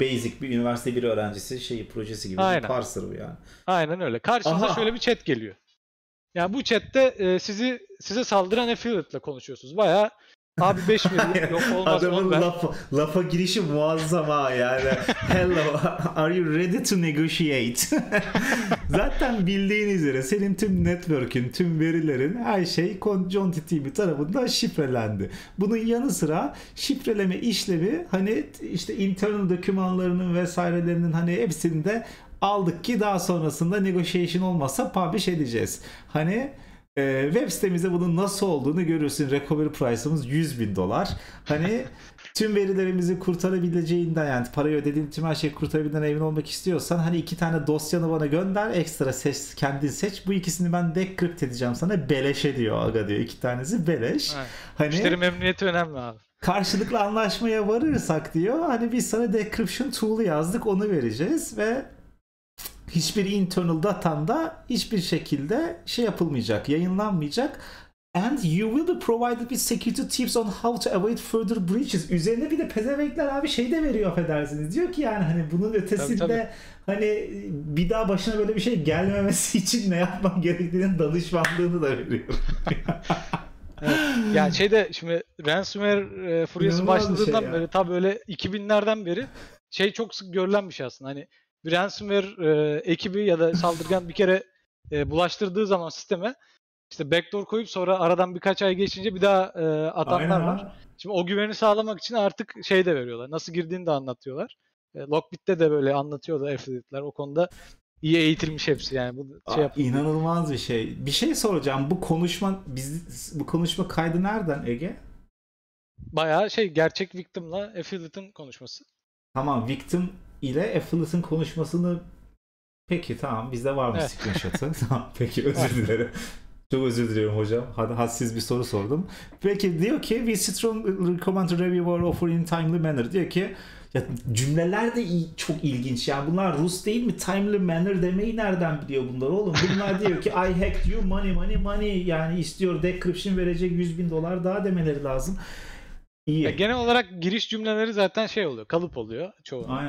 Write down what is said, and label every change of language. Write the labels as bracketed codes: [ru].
[tr] Basic bir üniversite bir öğrencisi şeyi projesi gibi bir parser bu yani. Aynen öyle. Karşınıza şöyle bir chat geliyor. Yani bu chat'te size saldıran affiliate'la konuşuyorsunuz. Bayağı abi 5 milyon yok olmaz. Adamın lafa girişi muazzam ha yani. [en] Hello, are you ready to negotiate? [tr] Zaten bildiğin üzere senin tüm network'ün, tüm verilerin, her şey Conti TV tarafından şifrelendi. Bunun yanı sıra şifreleme işlemi hani işte internal dokümanlarının vesairelerinin hani hepsinde aldık ki daha sonrasında negotiation olmazsa publish edeceğiz. Hani... web sitemizde bunun nasıl olduğunu görürsün. Recovery price'ımız 100 bin dolar. Hani tüm verilerimizi kurtarabileceğinden yani parayı ödediğin tüm her şeyi kurtarabildiğinden emin olmak istiyorsan hani iki tane dosyanı bana gönder. Ekstra seç, kendin seç. Bu ikisini ben decrypt edeceğim sana. Beleşe diyor aga diyor. İki tanesi beleş. Hani, müşteri memnuniyeti önemli abi. Karşılıklı anlaşmaya varırsak diyor. Hani biz sana decryption tool'u yazdık. Onu vereceğiz ve hiçbir internal datanda hiçbir şekilde şey yapılmayacak, yayınlanmayacak. [en] And you will be provided with security tips on how to avoid further breaches. [tr] Üzerine bir de pezevenkler abi şey de veriyor affedersiniz. Diyor ki yani hani bunun ötesinde tabii. Hani bir daha başına böyle bir şey gelmemesi için ne yapmam gerektiğinin danışmanlığını da veriyor. Ya yani şeyde şimdi ransomware furyası başladığından beri tabii öyle 2000'lerden beri şey çok sık görülen bir şey aslında. Hani bir ransomware ekibi ya da saldırgan bir kere bulaştırdığı zaman sisteme işte backdoor koyup sonra aradan birkaç ay geçince bir daha atanlar var. Şimdi o güveni sağlamak için artık şey de veriyorlar. Nasıl girdiğini de anlatıyorlar. Lockbit'te de böyle anlatıyorlar affiliate'ler. O konuda iyi eğitilmiş hepsi yani. Bu şey inanılmaz bir şey. Bir şey soracağım. Bu konuşma kaydı nereden Ege? Bayağı şey gerçek victim'la affiliate'ın konuşması. Tamam victim ile affiliate'ın konuşmasını peki tamam bizde var mı screenshot'ı? Tamam peki özür dilerim. Çok özür diliyorum hocam. Hadi hadsiz bir soru sordum. Peki diyor ki [en] we strongly recommend to review our offer in timely manner. [tr] Diyor ki ya cümleler de çok ilginç. Ya yani bunlar Rus değil mi? [en] Timely manner [tr] demeyi nereden biliyor bunlar oğlum? Bunlar diyor ki [en] I hacked you money [tr] yani istiyor decryption verecek 100 bin dolar daha demeleri lazım. Ya genel olarak giriş cümleleri zaten şey oluyor, kalıp oluyor çoğu.